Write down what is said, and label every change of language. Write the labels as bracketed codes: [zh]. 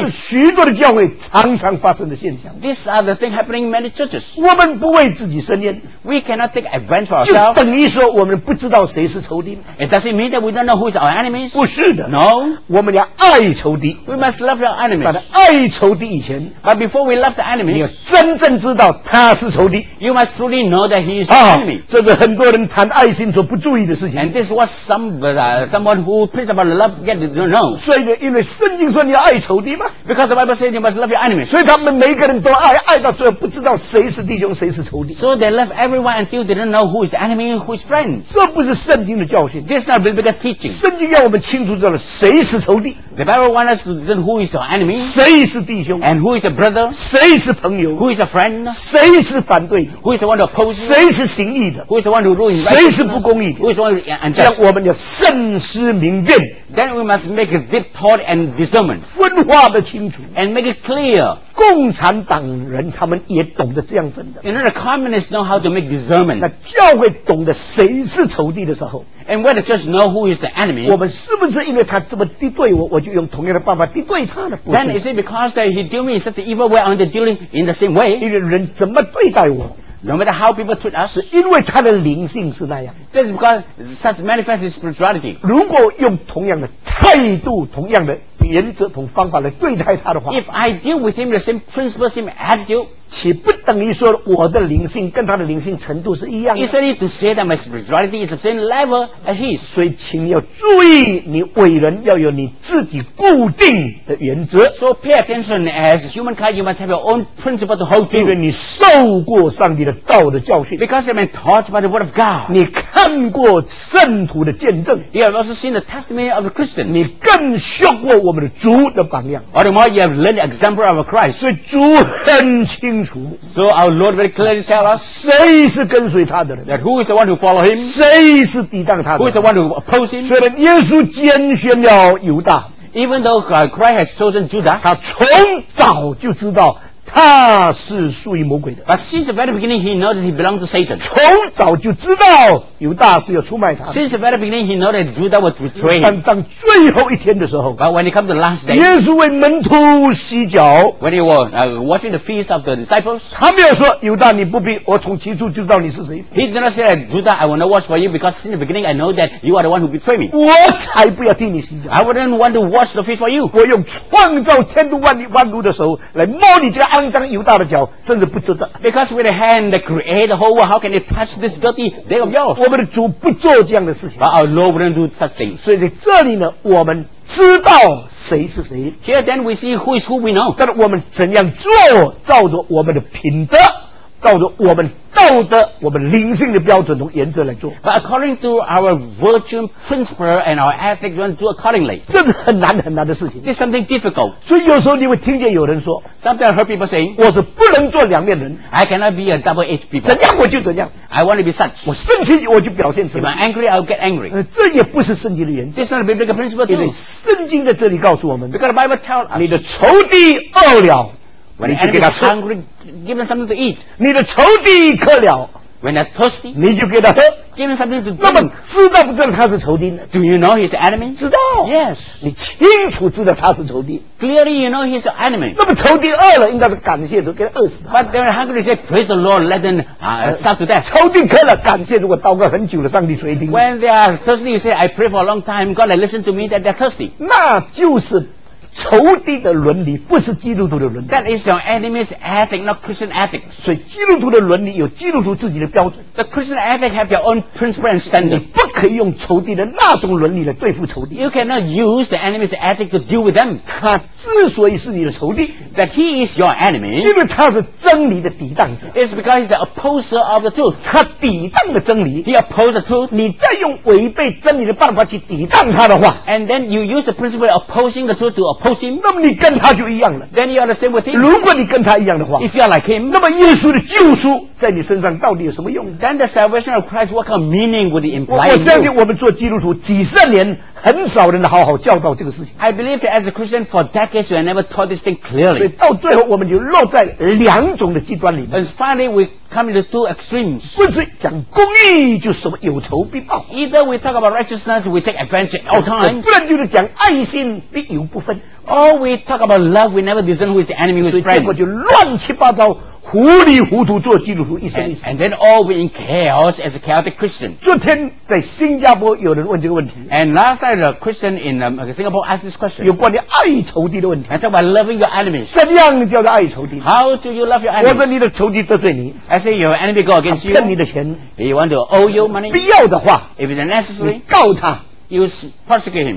[zh] 这是许多的教会常常发生的现象 [en] These are the things happening in many churches [zh] 我们不为自己伸冤 [en] We cannot take advantage of ourselves [zh] 就等于说我们不知道谁是仇敌 [en] Does it mean that we don't know who is our enemies? [zh] 不是的 [en] No [zh] 我们要爱仇敌 [en] We must love our enemies [zh] 但爱仇敌以前 [en] But before we love the enemies [zh] 你要真正知道他是仇敌 [en] You must truly know that he is our enemy [zh] 这个很多人谈爱心所不注意的事情 [en] And this was someone who preaches about love yet they don't know [zh] 所以因为圣经说你要爱仇敌吗 [en] Because the Bible says you must love your enemies [zh] 所以他们每个人都爱爱到最后不知道谁是弟兄谁是仇敌 [en] So they love everyone until they don't know who is the enemy and who is friend [zh] 这不是圣经的教训 [en] This is not biblical teaching [zh] 圣经要我们清楚知道谁是仇敌 [en] The Bible wants us to discern who is our enemy [zh] 谁是弟兄 [en] and who is a brother [zh] 谁是朋友 [en] who is a friend [zh] 谁是反对 [en] who is the one to oppose [zh] 谁是行义的 [en] who is the one to ruin [zh] 谁是不公义的 [en] who is the one to unjust 这 [zh] 样我们要慎思明辨 [en] Then we must make a deep thought and discernment [zh] 分化得清楚 [en] And make it clear [zh] 共产党人他们也懂得这样分的 [en] You know the communists know how to make discernment [zh] 那教会懂得谁是仇敌的时候 [en] And when the church know who is the enemy [zh] 我们是不是因为他这么敌对我我就用同样的办法敌对他呢 [en] Then is it because that he deal me in such an evil way I'm dealing in the same way [zh] 因为人怎么对待我 [en] No matter how people treat us [zh] 是因为他的灵性是那样 [en] That's because such manifest is spirituality [zh] 如果用同样的态度同样的原则同方法来对待他的话 [en] If I deal with him the same principle same attitude [zh] 岂不等于说我的灵性跟他的灵性程度是一样的 [en] Isn't it to say that my spirituality is the same level as his [zh] 所以请要注意你伟人要有你自己固定的原则 [en] So pay attention as humankind you must have your own principle to hold to [zh] 因为你受过上帝的道的教训 [en] Because you have been taught by the word of God [zh] 你看过圣徒的见证 [en] You have also seen the testimony of the Christians [zh] 你更学过我们的主的榜样 [en] Or the more you have learned the example of Christ [zh] 所以主很清楚 [en] So our Lord very clearly tell us [zh] 谁是跟随他的人 [en] That who is the one who follow him [zh] 谁是抵挡他的人 [en] Who is the one who oppose him [zh] 虽然耶稣拣选了犹大 [en] Even though Christ has chosen Judah [zh] 他从早就知道他是属于魔鬼的。 [en] But since the very beginning, he knew that he belonged to Satan. [zh] 从早就知道犹大是要出卖他。 [en] Since the very beginning, he knew that Judah would betray him. [zh] 但当最后一天的时候 [en] ，But when it comes to the last day, [zh] 耶稣为门徒洗脚。 [en] When he was washing the feet of the disciples, [zh] 他没有说犹大你不必，我从起初就知道你是谁。 [en] He did not say that Judah, I will not wash for you because since the beginning I know that you are the one who betray me. [zh] 我才不要替你洗脚。 [en] I wouldn't want to wash the feet for you. [zh] 我用创造天地万里万物的手来摸你这个肮脏犹大的脚，甚至不值得。 [en] Because with a hand that created the whole world, how can it touch this dirty day of yours? [zh] 我们的主不做这样的事情。 [en] But our Lord wouldn't do such things. [zh] 所以在这里呢，我们知道谁是谁。 [en] Here then we see who is who we know. [zh] 但是我们怎样做，照着我们的品德，照着我们道德，我们灵性的标准和原则来做。 [en] But according to our virtue principle and our ethics, we do accordingly. [zh] 这是很难很难的事情。 [en] It's something difficult. [zh] 所以有时候你会听见有人说 [en] ，Sometimes I heard people saying, [zh] 我是不能做两面人。 [en] I cannot be a double edged people. [zh] 怎样我就怎样。 [en] I want to be such. [zh] 我生气我就表现出 [en] 来。If I'm angry, I'll get angry. [zh] 这也不是圣经的原则。 [en] It's not a biblical principle too. [zh] 因为圣经在这里告诉我们 [en] ，Because the Bible tells us, [zh] 你的仇敌饿了。 [en] When the enemy is hungry, give him something to eat. [zh] 你的仇敌渴了。 [en] When they're thirsty, [zh] 你就给他喝。 [en] Give him something to drink. [zh] 那么知道不知道他是仇敌呢 [en] ？Do you know he's enemy? [zh] 知道。 [en] Yes. [zh] 你清楚知道他是仇敌。 [en] Clearly you know he's enemy. [zh] 那么仇敌饿了，应该是感谢主给他饿死他。 [en] But they're hungry, say praise the Lord, let them starve to death. [zh] 仇敌渴了，感谢主，我祷告很久了，上帝垂听。 [en] When they are thirsty, you say I pray for a long time, God, listen to me that they're thirsty. [zh] 那就是。仇敌的伦理不是基督徒的伦理。 [en] That is your enemy's ethic, not Christian ethic. [zh] 所以基督徒的伦理有基督徒自己的标准。 [en] The Christian ethic have your own principle and standard. [zh] 你不可以用仇敌的那种伦理来对付仇敌。 [en] You cannot use the enemy's ethic to deal with them. [zh] 他之所以是你的仇敌 [en] ，That he is your enemy. [zh] 因为他是真理的抵挡者。 [en] It's because he's the opposer of the truth. [zh] 他抵挡了真理 [en] ，He opposed the truth. [zh] 你再用违背真理的办法去抵挡他的话 [en] ，And then you use the principle of opposing the truth to oppose. Him, [zh] 那么你跟他就一样了。 [en] Then you are the same with him. [zh] 如果你跟他一样的话 [en] ，If you are like him, [zh] 那么耶稣的救赎在你身上到底有什么用 [en] ？Then the salvation of Christ, what kind of meaning would it imply? [zh] 我相信我们做基督徒几十年，很少人好好教导这个事情。 [en] I believe that as a Christian for decades, you have never taught this thing clearly. [zh] 所以到最后，我们就落在两种的极端里面。 [en] And finally, we come to two extremes. [zh] 不是讲公义，就什么有仇必报。 [en] Either we talk about righteousness, we take advantage all time. [zh] 不然就是讲爱心，必有不分。 [en] Or we talk about love, we never discern who is the enemy, who is friend. [zh] 所以结果就乱七八糟，糊里糊涂做基督徒一生一世。 [en] And then all we in chaos as a chaotic Christian. [zh] 昨天在新加坡有人问这个问题。 [en] And last night a Christian in Singapore asked this question. [zh] 有关于爱仇敌的问题。 [en] And talk about loving your enemies. [zh] 怎样叫做爱仇敌 [en] ？How do you love your enemies? [zh] 我说你的仇敌得罪你。 [en] I say your enemy go against you. [zh] 骗你的钱。 [en] He want to owe you money. [zh] 必要的话 [en] ，if it's necessary, [zh] 告他。 [en] You prosecute him.